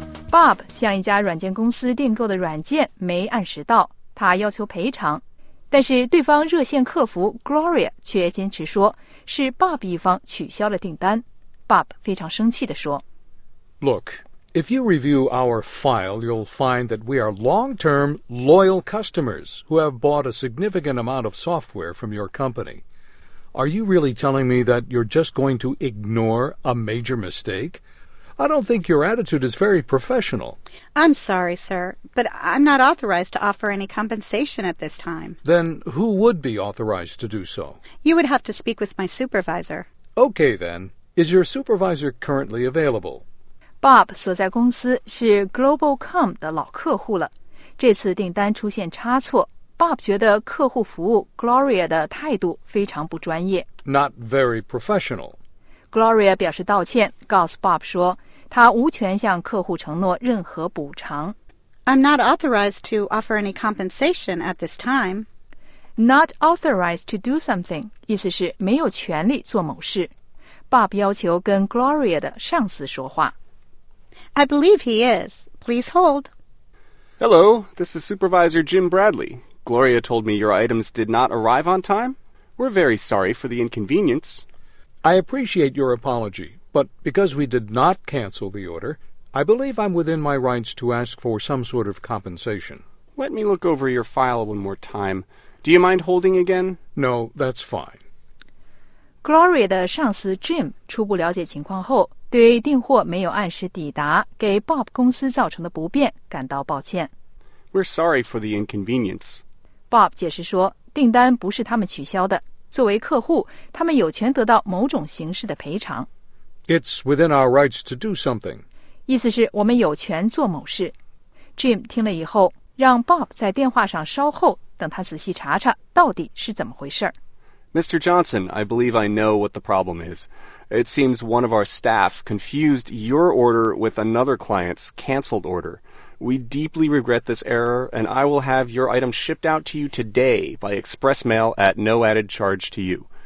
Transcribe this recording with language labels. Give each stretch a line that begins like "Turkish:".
Chinese: Bob 向一家软件公司订购的软件没按时到，他要求赔偿，但是对方热线客服 Gloria 却坚持说是 Bob 一方取消了订单。 Bob 非常生气地说。
English: Look, if you review our file, you'll find that we are long-term, loyal customers who have bought a significant amount of software from your company. Are you really telling me that you're just going to ignore a major mistake? I don't think your attitude is very professional. I'm sorry, sir, but I'm not authorized to offer any compensation at this time. Then who would be authorized to do so? You would have to speak with my supervisor. Okay, then. Is your supervisor currently available?
Chinese: Bob 所在公司是 GlobalCom 的老客户了，这次订单出现差错， Bob 觉得客户服务 Gloria 的态度非常不专业。
English: Not very professional.
Chinese: Gloria 表示道歉，告诉 Bob 说他无权向客户承诺任何补偿。
English: I'm not authorized to offer any compensation at this time. Not authorized to do something
Chinese: 意思是没有权利做某事。 Bob 要求跟 Gloria 的上司说话。
English: I believe he is. Please hold. Hello, this is Supervisor Jim Bradley. Gloria told me your items did not arrive on time. We're very sorry for the inconvenience. I appreciate your apology, but because we did not cancel the order, I believe I'm within my rights to ask for some sort of compensation. Let me look over your file one more time. Do you mind holding again? No, that's fine.
Chinese: Gloria 的上司 Jim 初步了解情况后，对订货没有按时抵达给 Bob 公司造成的不便感到抱歉。
English: We're sorry for the inconvenience.
Chinese: Bob 解释说订单不是他们取消的，作为客户他们有权得到某种形式的赔偿。
English: It's within our rights to do something.
Chinese: 意思是我们有权做某事。Jim 听了以后让 Bob 在电话上稍后，等他仔细查查到底是怎么回事。
English: Mr. Johnson, I believe I know what the problem is. It seems one of our staff confused your order with another client's canceled order. We deeply regret this error, and I will have your item shipped out to you today by express mail at no added charge to you.